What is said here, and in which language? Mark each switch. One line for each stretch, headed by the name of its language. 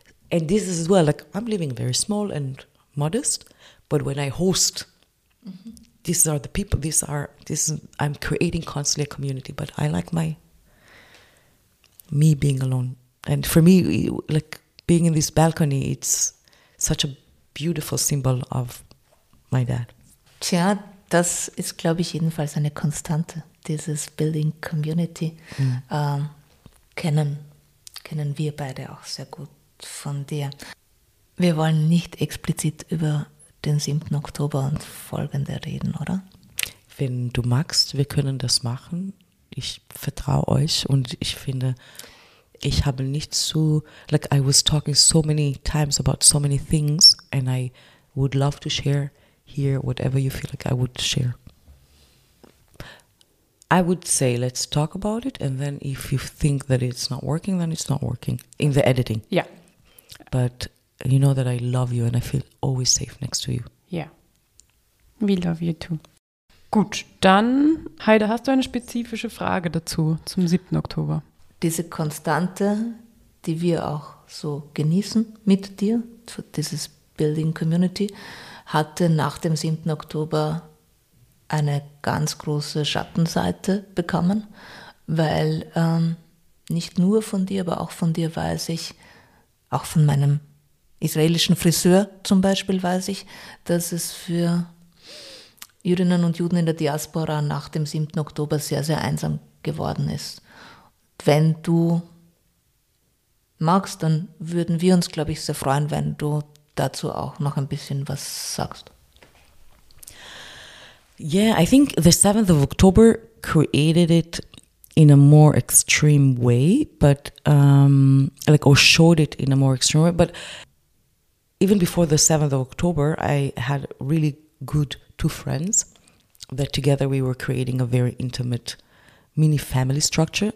English: And this is as well, like I'm living very small and modest, but when I host, mm-hmm. these are the people, I'm creating constantly a community, but I like me being alone. And for me, like being in this balcony, it's such a beautiful symbol of my dad.
German: Tja, das ist, glaube ich, jedenfalls eine Konstante, dieses Building Community. Mm. Kennen wir beide auch sehr gut von dir. Wir wollen nicht explizit über den 7. Oktober und folgende reden, oder? Wenn du magst, wir können das machen. Ich vertraue euch und ich finde, ich habe nicht so,
English: like I was talking so many times about so many things and I would love to share here whatever you feel like I would share. I would say let's talk about it and then if you think that it's not working, then it's not working in the editing. Yeah. But you know that I love you and I feel always safe next to you. Yeah. We love you too.
German: Gut, dann, Heide, hast du eine spezifische Frage dazu zum 7. Oktober? Diese Konstante, die wir auch so genießen mit dir, dieses Building Community, hatte nach dem 7. Oktober eine ganz große Schattenseite bekommen, weil nicht nur von dir, aber auch von dir weiß ich, auch von meinem israelischen Friseur zum Beispiel weiß ich, dass es für Jüdinnen und Juden in der Diaspora nach dem 7. Oktober sehr, sehr einsam geworden ist. Wenn du magst, dann würden wir uns, glaube ich, sehr freuen, wenn du dazu auch noch ein bisschen was sagst.
English: Yeah, I think the 7th of October created it in a more extreme way, but showed it in a more extreme way, but even before the 7th of October, I had really good two friends that together we were creating a very intimate mini family structure.